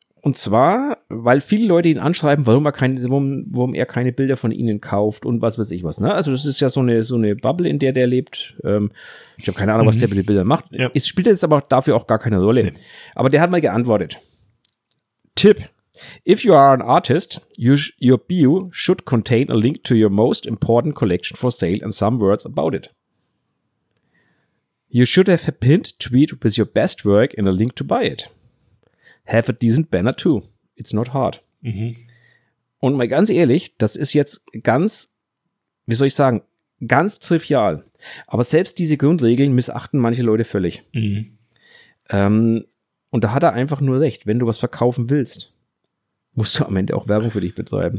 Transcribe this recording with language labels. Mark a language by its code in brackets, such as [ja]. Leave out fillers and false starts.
[de] Und zwar, weil viele Leute ihn anschreiben, warum er keine Bilder von ihnen kauft und was weiß ich was. Ne? Also das ist ja so eine Bubble, in der lebt. Ich habe keine Ahnung, was der mit den Bildern macht. Ja. Es spielt jetzt aber dafür auch gar keine Rolle. Nee. Aber der hat mal geantwortet. Tipp, [en] If you are an artist, your bio should contain a link to your most important collection for sale and some words about it. You should have a pinned tweet with your best work and a link to buy it. Have a decent banner too. It's not hard. Mhm. [de] Und mal ganz ehrlich, das ist jetzt ganz, wie soll ich sagen, ganz trivial. Aber selbst diese Grundregeln missachten manche Leute völlig. Mhm. Und da hat er einfach nur recht. Wenn du was verkaufen willst, musst du am Ende auch Werbung für dich betreiben.